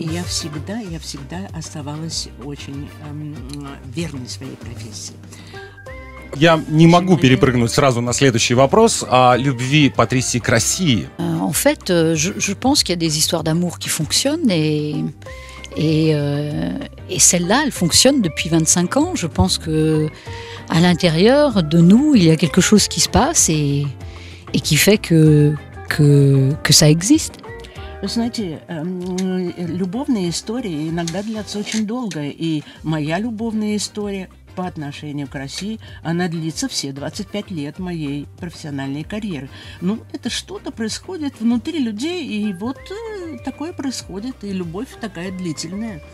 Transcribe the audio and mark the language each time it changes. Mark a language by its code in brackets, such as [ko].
[ru] Я всегда оставалась очень верной своей профессии. Я не могу перепрыгнуть сразу на следующий вопрос о любви Патрисии к России. [fr] En fait, je pense qu'il y a des histoires d'amour qui fonctionnent et celle-là, elle fonctionne depuis 25 ans. Je pense que à l'intérieur de nous, il y a quelque chose qui se passe et qui fait que ça existe. [ru] Вы знаете, любовные истории иногда длятся очень долго, и моя любовная история по отношению к России, она длится все 25 лет моей профессиональной карьеры. Ну, это что-то происходит внутри людей, и вот такое происходит, и любовь такая длительная.